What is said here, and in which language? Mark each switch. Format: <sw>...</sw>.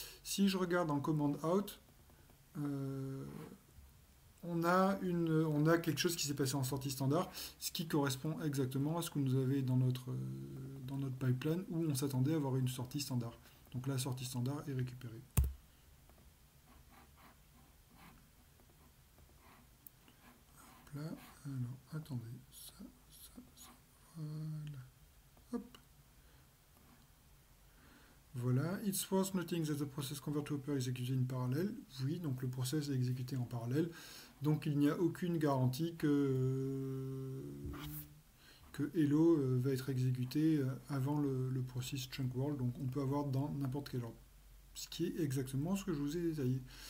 <fr>Si je regarde en commande out, on a quelque chose qui s'est passé en sortie standard, ce qui correspond exactement à ce que nous avait dans notre pipeline où on s'attendait à avoir une sortie standard. Donc la sortie standard est récupérée. Là, alors attendez, voilà. Hop. Voilà.</fr> <en>It's worth noting that the process convert to hopper is executed in parallel.</en> <fr>Oui, donc le process est exécuté en parallèle. Donc il n'y a aucune garantie que Hello va être exécuté avant le process chunk world. Donc on peut avoir dans n'importe quel ordre. Ce qui est exactement ce que je vous ai détaillé.</fr>